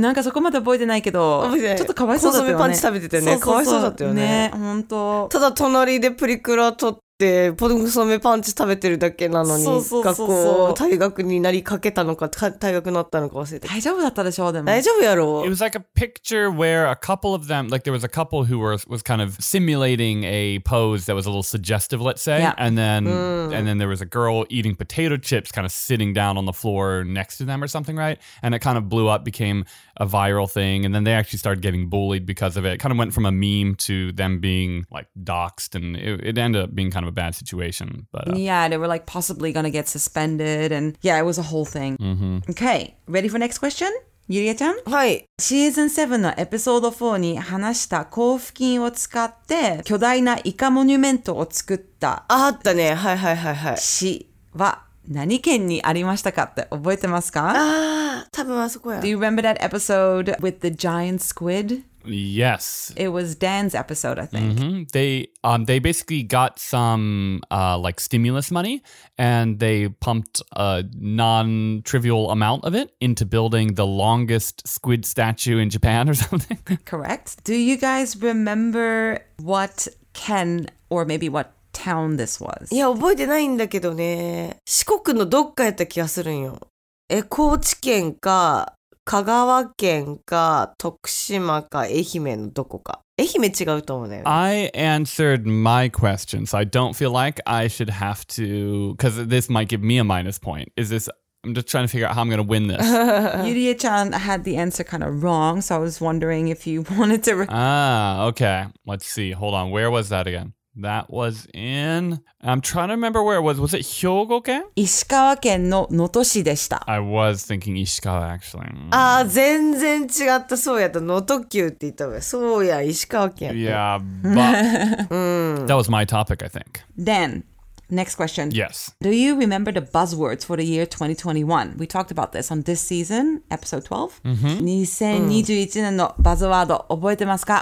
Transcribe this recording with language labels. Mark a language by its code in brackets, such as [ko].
[ja] なんかそこまで覚えてないけど、ちょっとかわいそうだったよね。コンソメパンチ食べててね、そうそうそう、かわいそうだったよね。ね、ほんと。ただ隣でプリクラ撮って、コンソメパンチ食べてるだけなのに、そうそうそう、学校退学になりかけたのか、退学になったのか忘れて。大丈夫だったでしょう、でも。大丈夫やろ。 [en] It was like a picture where a couple of them, like there was a couple who was kind of simulating a pose that was a little suggestive, let's say. Yeah. And then there was a girl eating potato chips kind of sitting down on the floor next to them or something, right? And it kind of blew up, became a viral thing. And then they actually started getting bullied because of it. It kind of went from a meme to them being like doxxed. And it ended up being kind of a bad situation. But Yeah, they were like possibly going to get suspended. And yeah, it was a whole thing. Mm-hmm. Okay, ready for next question? ゆりえちゃん、 [ja] はい。シーズン7のエピソード4に話した交付金を使って巨大なイカモニュメントを作った。あったね。はいはいはいはい。市は何県にありましたかって覚えてますか？ああ、多分あそこや。 [en] Do you remember that episode with the giant squid? Yes. It was Dan's episode, I think. Mm-hmm. They basically got some like stimulus money and they pumped a non-trivial amount of it into building the longest squid statue in Japan or something. Correct. Do you guys remember what Ken or maybe what town this was? [ja] いや、覚えてないんだけどね。四国のどっかやった気がするんよ。え、高知県か。香川県か徳島か愛媛のどこか。愛媛違うと思うね。 [en] I answered my question, so I don't feel like I should have to, because this might give me a minus point. Is this, I'm just trying to figure out how I'm going to win this. Yurie-chan had the answer kind of wrong, so I was wondering if you wanted to... okay. Let's see. Hold on. Where was that again? That was in... I'm trying to remember where it was. Was it 兵庫県? [ja] 石川県の野戸市でした。 [en] I was thinking 石川 actually. [ja] ああ、全然違った。そうやった。野戸急って言ったわ。そうや、石川県。 [en] Yeah, but... That was my topic, I think. Then, next question. Yes. Do you remember the buzzwords for the year 2021? We talked about this on this season, episode 12. Mm-hmm. [ja] 2021年のバズワード覚えてますか?